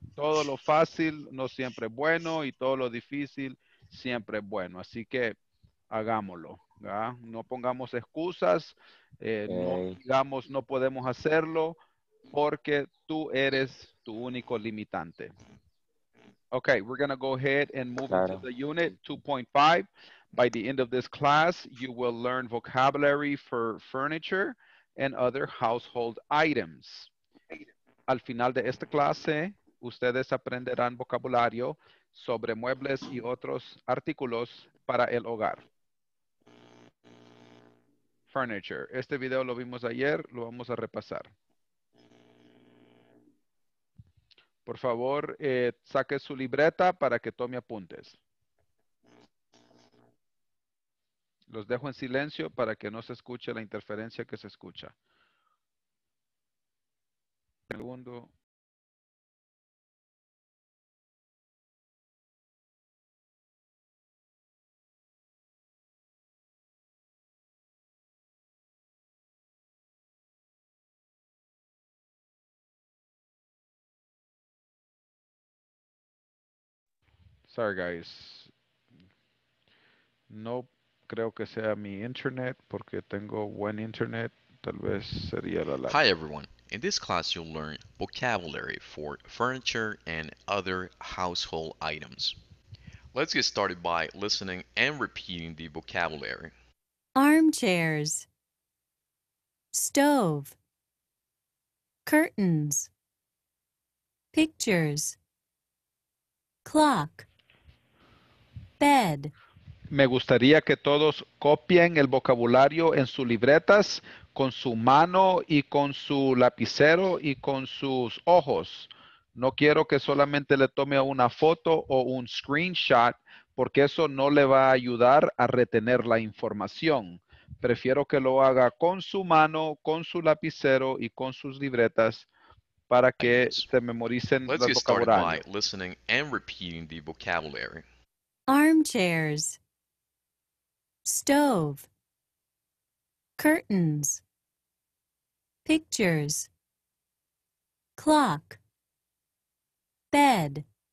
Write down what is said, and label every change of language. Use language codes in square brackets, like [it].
[es] Todo lo fácil no siempre es bueno y todo lo difícil siempre es bueno. Así que hagámoslo, ¿ya? No pongamos excusas, no digamos no podemos hacerlo porque tú eres tu único limitante. [en] Okay, we're gonna go ahead and move into the unit 2.5. By the end of this class, you will learn vocabulary for furniture and other household items. [es] Al final de esta clase, ustedes aprenderán vocabulario sobre muebles y otros artículos para el hogar. Furniture. Este video lo vimos ayer, lo vamos a repasar. Por favor, saque su libreta para que tome apuntes. Los dejo en silencio para que no se escuche la interferencia que se escucha. Segundo. [en] Sorry, guys. [es] Nope. Creo que sea mi internet, porque tengo buen internet, tal vez sería la [en] Hi everyone, in this class you'll learn vocabulary for furniture and other household items. Let's get started by listening and repeating the vocabulary. Armchairs, stove, curtains, pictures, clock, bed. [es] Me gustaría que todos copien el vocabulario en sus libretas con su mano y con su lapicero y con sus ojos. No quiero que solamente le tome una foto o un screenshot porque eso no le va a ayudar a retener la información. Prefiero que lo haga con su mano, con su lapicero y con sus libretas para que se memoricen el vocabulario. [en] Let's get started by listening and repeating the vocabulary. Armchairs. Stove, curtains, pictures, clock, bed,